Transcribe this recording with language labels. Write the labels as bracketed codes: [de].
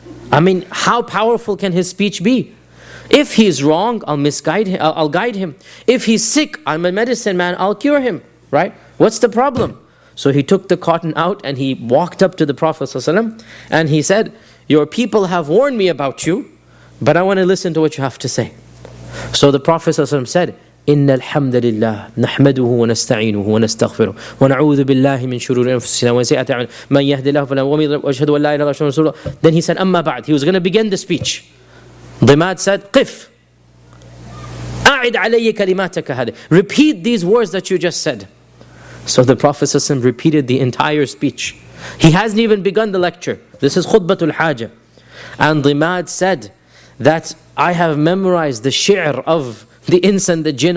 [en] I mean, how powerful can his speech be? If he's wrong, I'll misguide him, I'll guide him. If he's sick, I'm a medicine man, I'll cure him, right? What's the problem? So he took the cotton out and he walked up to the Prophet ﷺ and he said, your people have warned me about you, but I want to listen to what you have to say. So the Prophet ﷺ said, [ar] إِنَّ الْحَمْدَ لِلَّهِ نَحْمَدُهُ وَنَسْتَعِينُهُ وَنَسْتَغْفِرُهُ وَنَعُوذُ بِاللَّهِ مِنْ شُرُورِ أَنفُسِنَا وَسَيِّئَاتِ أَعْمَالِنَا مَنْ يَهْدِ اللَّهُ فَلَا مُضِلَّ لَهُ وَأَشْهَدُ أَنْ لَا إِلَهَ إِلَّا اللَّهُ. [en] Then he said, [ar] أما بعد, [en] he was going to begin the speech. Dhimad said, [ar] قِفْ أَعِدْ عَلَيِّ كَلِمَاتَكَ هَذِهِ, [en] repeat these words that you just said. So the Prophet ﷺ repeated the entire speech. He hasn't even begun the lecture. This is Khutbatul Hajah. And Dhimad said that I have memorized the shi'r of the ins and the jinn.